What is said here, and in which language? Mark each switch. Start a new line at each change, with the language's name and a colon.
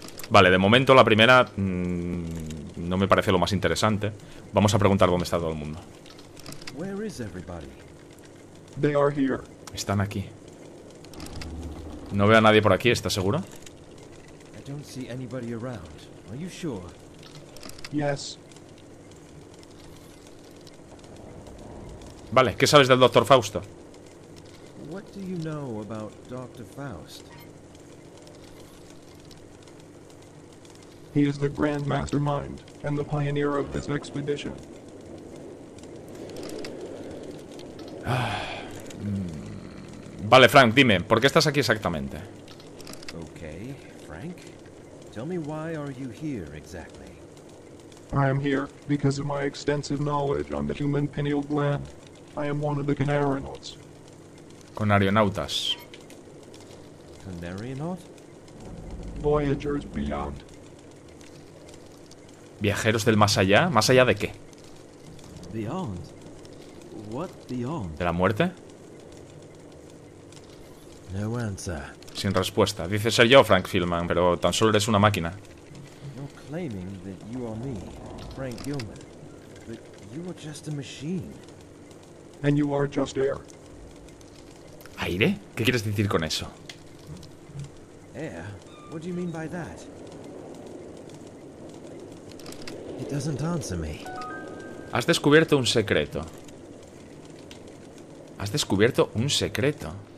Spanish: Vale, de momento la primera no me parece lo más interesante. Vamos a preguntar dónde está todo el mundo.
English: Where is everybody? They are here.
Spanish: Están aquí. No veo a nadie por aquí, ¿estás seguro?
English: I don't see anybody around. Are you sure? Yes.
Spanish: Vale, ¿qué sabes del Dr. Fausto?
English: What do you know about Dr. Faust? He is the grand mastermind and the pioneer of this expedition.
Spanish: Vale, Frank, dime, ¿por qué estás aquí exactamente?
English: Okay, Frank. Tell me why are you here exactly? I am here because of my extensive knowledge on the human pineal gland. I am one of the canarinauts.
Spanish: Con aeronautas.
English: Canarinaut? Voyagers beyond.
Spanish: ¿Viajeros del más allá? ¿Más allá de qué?
English: Beyond. What beyond?
Spanish: ¿De la muerte?
English: No answer.
Spanish: Sin respuesta. Dices ser yo, Frank Gilman, pero tan solo eres una máquina.
English: You're claiming that you are me, Frank Gilman. But you are just a machine. And you are just air.
Spanish: ¿Aire? ¿Qué quieres decir con eso?
English: Air? What do you mean by that? It doesn't answer me.
Spanish: Has descubierto un secreto. Has descubierto un secreto.